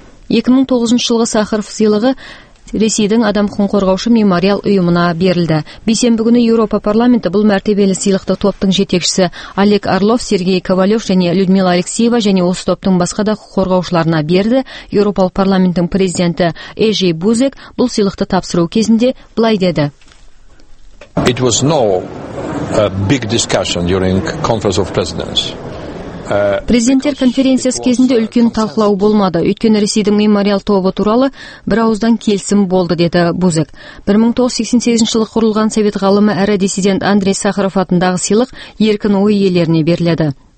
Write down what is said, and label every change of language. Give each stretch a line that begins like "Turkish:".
Kazakh: 2009 жылғы Сахаров сыйлығы Ресейдің адам құқығын қорғаушы мемориал ұйымына берілді. Бейсенбі күні Еуропа парламенті бұл мәртебелі сыйлықты топтың жетекшісі Олег Орлов, Сергей Ковалев және Людмила Алексеева және осы топтың басқа да құқық қорғаушыларына берді. Еуропалық парламенттің президенті Эжей Бузек бұл сыйлықты тапсыру кезінде былай деді.
English: It was no big discussion during conference of presidents.
Kazakh: Президенттер конференциясы кезінде үлкен талқылау болмады. Өйткені Ресейдің мемориал тобы туралы бір ауыздан келісім болды, деді Бузек. 1988 жылы құрылған совет ғалымы әрі диссидент Андрей Сахаров атындағы сыйлық еркін ой иелеріне беріледі.